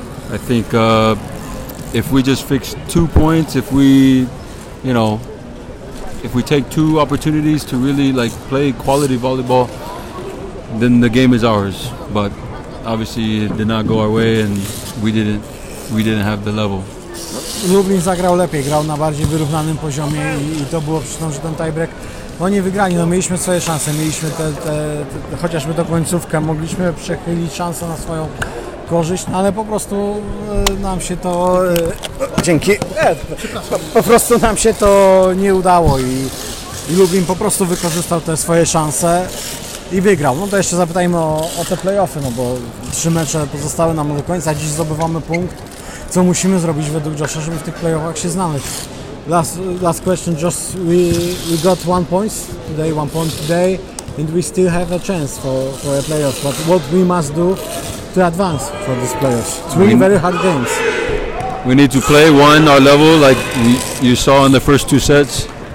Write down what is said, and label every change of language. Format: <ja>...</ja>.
<en>I think if we just fix two points, if we take two opportunities to really like play quality volleyball, then the game is ours. But obviously it did not go our way, and we didn't have the level.</en> <pl>Lublin zagrał lepiej, grał na bardziej wyrównanym poziomie i to było przyczyną, że ten tiebreak oni wygrali. No mieliśmy swoje szanse, mieliśmy te chociażby tą końcówkę, mogliśmy przechylić szansę na swoją korzyść, no ale po prostu nam się to... Dzięki. Po prostu nam się to nie udało i Lublin po prostu wykorzystał te swoje szanse i wygrał. No to jeszcze zapytajmy o te playoffy, no bo trzy mecze pozostały nam do końca, dziś zdobywamy punkt. Co musimy zrobić według Josha, żeby w tych playoffach się znaleźć?</pl> <en>Last question, just we got one point today, and we still have a chance for a playoff. But what we must do to advance for this playoffs? Three very hard games. We need to play one our level, like you saw in the first two sets.</en>